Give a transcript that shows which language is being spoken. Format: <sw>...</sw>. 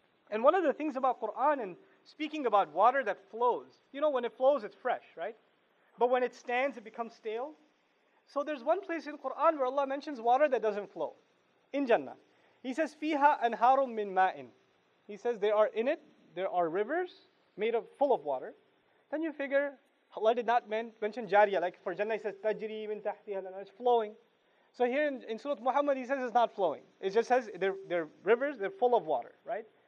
<en>And one of the things about Qur'an and speaking about water that flows. You know, when it flows, it's fresh, right? But when it stands, it becomes stale. So, there's one place in Qur'an where Allah mentions water that doesn't flow. In Jannah. He says,</en> <ar>فِيهَا أَنْهَارٌ مِّن مَّاءٍ.</ar> <en>He says, there are in it, there are rivers made of full of water. Then you figure, Allah did not mention jariya. Like for Jannah, he says,</en> <ar>tajri min tahtiha al-anhar.</ar> <en>It's flowing. So here in Surah Muhammad, he says it's not flowing. It just says they're rivers, they're full of water, right?</en>